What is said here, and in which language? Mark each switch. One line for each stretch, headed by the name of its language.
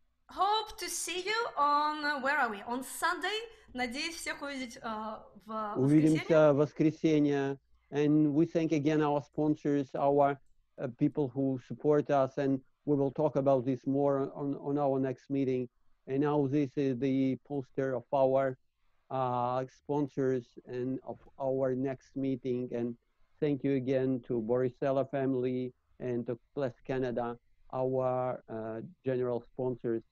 English: Hope to see you on, where are we? On Sunday.
Russian: Надеюсь, всех увидеть в воскресенье. Увидимся в воскресенье.
English: And we thank again our sponsors, our people who support us, and we will talk about this more on our next meeting. And now this is the poster of our sponsors and of our next meeting. And thank you again to Borisella family and to Bless Canada, our general sponsors.